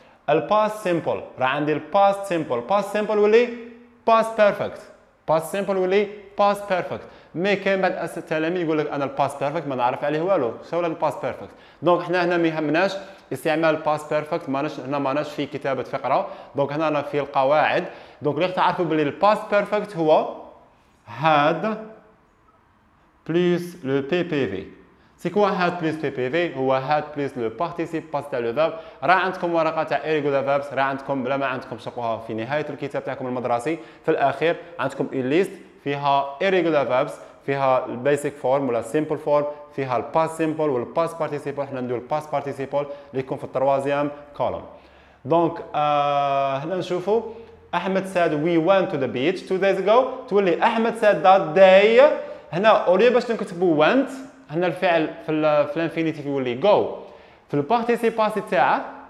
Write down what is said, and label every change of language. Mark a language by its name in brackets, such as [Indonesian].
[Arabic] الباس سيمبل راه عندي الباس سيمبل باس سيمبل ولي باس بيرفكت باس سيمبل ولي باس بيرفكت مي كاين بعض التلاميذ يقول لك انا الباس بيرفكت ما نعرف عليه والو شاولا الباس بيرفكت دونك حنا هنا ما يهمناش استعمال الباس بيرفكت ماناش في كتابه فقره دونك هنا انا في القواعد دونك اللي تعرفوا بلي الباس بيرفكت هو [French] had plus le PPV. C'est quoi had plus PPV? هو had plus le participe passé à le verbe. [Arabic] راه عندكم ورقة تاع irregular verbs. راه عندكم بلا ما عندكم شقوها في نهاية الكتاب تاعكم المدرسي. في الأخير عندكم a list فيها irregular verbs. فيها the basic form ولا simple form. فيها the past simple ولا past participle. حنا ندول past participle. ليكم في التروازيام column. Donc, هنا نشوفوا. احمد سعد [English] we went to the beach 2 days ago [Arabic] تولي احمد سعد دات داي هنا اوليو باش نكتبوا ونت هنا الفعل في الانفينيتيف يولي جو في البارتيسيب باسي تاع